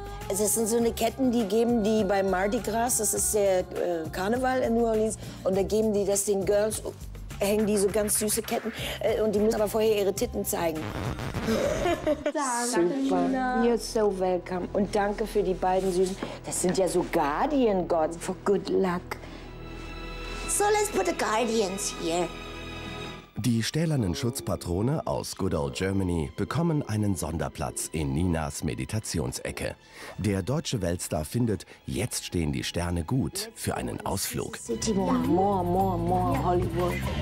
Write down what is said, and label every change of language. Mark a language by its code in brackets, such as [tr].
[de] Es sind so eine Ketten, die geben die bei Mardi Gras, das ist der Karneval in New Orleans, und da geben die das den Girls. Hängen die so ganz süße Ketten und die müssen aber vorher ihre Titten zeigen. Super. [en] You're so welcome. [de] Und danke für die beiden Süßen. Das sind ja so [en] Guardian Gods for good luck. So, let's put the Guardians here. [de] Die stählernen Schutzpatrone aus Good Old Germany bekommen einen Sonderplatz in Ninas Meditationsecke. Der deutsche Weltstar findet, jetzt stehen die Sterne gut für einen Ausflug. [en] More, Hollywood.